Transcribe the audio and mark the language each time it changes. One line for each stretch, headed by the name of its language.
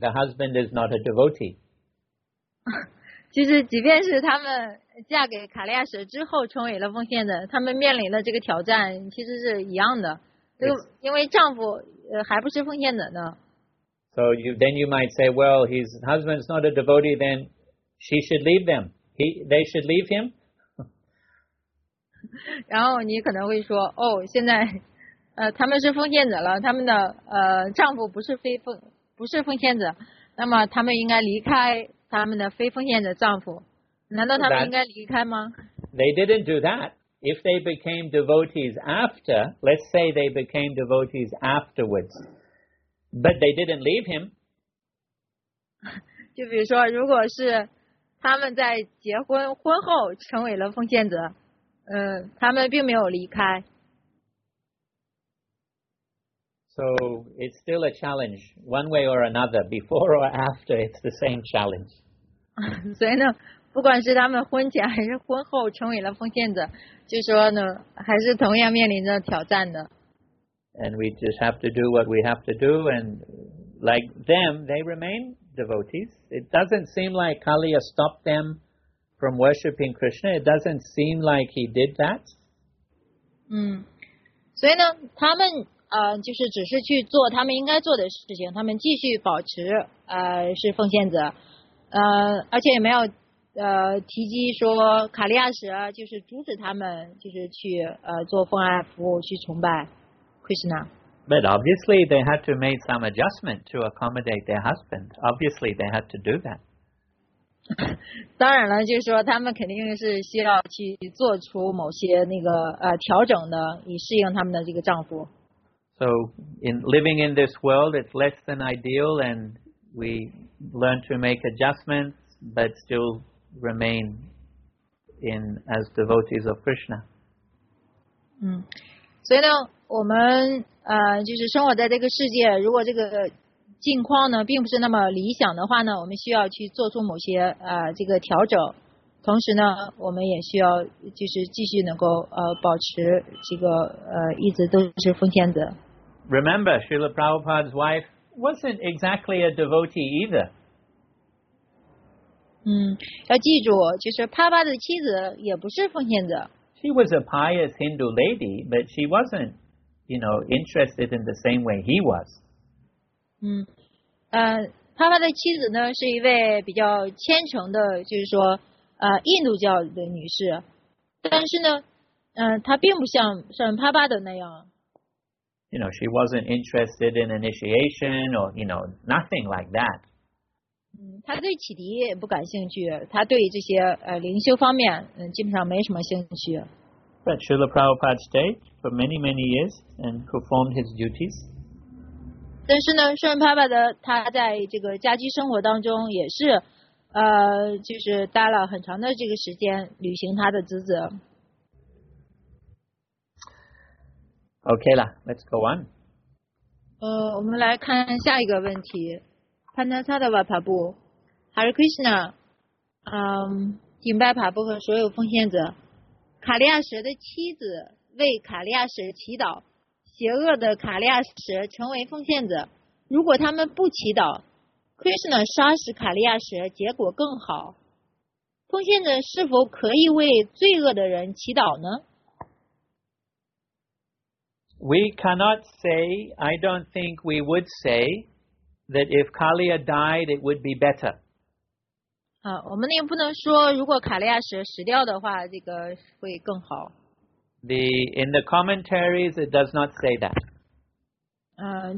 English: The husband is not a devotee.
Chinese: 其实即便是他们嫁给卡利亚舍之后成为了奉献人，他们面临的这个挑战其实是一样的。因为丈夫还不是奉献人呢。
English: So then you might say, well, his husband's not a devotee, then she should leave them. They should leave him.
Chinese: 然后你可能会说，哦，现在，他们是奉献者了，他们的丈夫不是奉献者，那么他们应该离开他们的非奉献者丈夫，难道他们应该离开吗
English: ？They didn't do that. If they became devotees after, let's say they became devotees afterwards, but they didn't leave him.
Chinese: 就比如说，如果是他们在结婚婚后成为了奉献者。他们并没有离开。
English: So it's still a challenge, one way or another, before or after, it's the same challenge.
Chinese: 所以呢，不管是他们婚前还是婚后成为了奉献者，就说呢，还是同样面临着挑战的。
English: And we just have to do what we have to do, and like them, they remain devotees. It doesn't seem like Kaliya stopped them. From worshiping Krishna, it doesn't seem like he did that.
Chinese: 所以呢，他们就是只是去做他们应该做的事情，他们继续保持是奉献者，而且也没有提及说卡利亚什就是阻止他们就是去做奉爱服务去崇拜 Krishna.
English: But obviously they had to make some adjustment to accommodate their husband. Obviously they had to do that.
Chinese: 当然了，就是说他们肯定是需要去做出某些那个调整的，以适应他们的这个丈夫。
English: So in living in this world, it's less than ideal, and we learn to make adjustments, but still remain in as devotees of Krishna.
Chinese: 所以呢，我们就是生活在这个世界，如果这个。近况呢并不是那么理想的话呢，我们需要去做出某些这个调整，同时呢，我们也需要就是继续能够保持这个一直都是奉献者。
English: Remember, Srila Prabhupada's wife wasn't exactly a devotee either.
Chinese: 要记住，就是帕巴的妻子也不是奉献者。
English: She was a pious Hindu lady, but she wasn't, you know, interested in the same way he was.
Chinese: 帕巴的妻子呢是一位比较虔诚的，就是说印度教的女士，但是呢，她并不像圣帕巴的那样。
English: You know, she wasn't interested in initiation or you know nothing like that.
Chinese: 她对启迪也不感兴趣，她对这些灵修方面基本上没什么兴趣。
English: But Srila Prabhupada stayed for many many years and performed his duties.
Chinese: 但是呢，圣帕巴的他在这个家居生活当中也是，就是待了很长的这个时间，履行他的职责。
English: Okay 啦 ，Let's go on。
Chinese: 我们来看下一个问题。Panasadava Prabhu, Hare Krishna, 敬拜帕布和所有奉献者，卡利亚什的妻子为卡利亚什祈祷。邪恶的卡利亚什成为奉献者，如果他们不祈祷， Krishna 杀死卡利亚时结果更好。奉献者是否可以为罪恶的人祈祷呢？
English: We cannot say, I don't think we would say, that if Kaliya died, it would be better.
Chinese: 我们也不能说如果卡利亚时死掉的话，这个会更好。
English: In the commentaries, it does not say that.